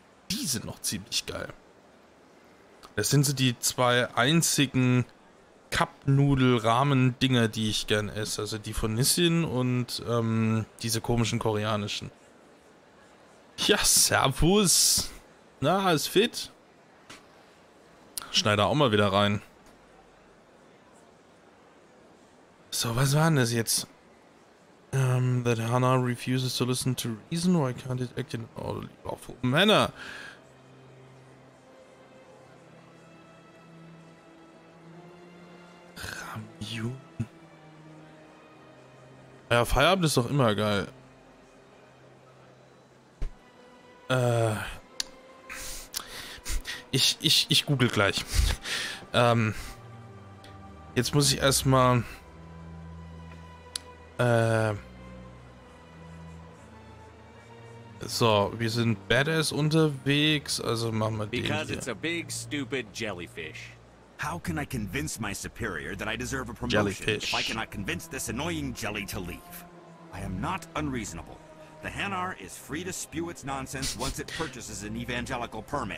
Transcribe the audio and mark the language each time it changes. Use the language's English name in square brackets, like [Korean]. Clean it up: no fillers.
[German] Die sind noch ziemlich geil. Das sind so die zwei einzigen Cup-Nudel-Ramen-Dinger, die ich gern esse. Also die von Nissin und diese komischen koreanischen. Ja, servus. Na, ist fit. Schneider auch mal wieder rein. So, was war denn das jetzt? [English] That Hannah refuses to listen to reason, why can't it act in an orderly, lawful manner? [German] Ramyun. Ja, Feierabend ist doch immer geil. Ich google gleich. Jetzt muss ich erstmal. So, wir sind Badass unterwegs, also machen wir den hier. [English] Because it's a big, stupid jellyfish. How can I convince my superior that I deserve a promotion jellyfish. If I cannot convince this annoying jelly to leave? I am not unreasonable. The Hanar is free to spew its nonsense once it purchases an evangelical permit.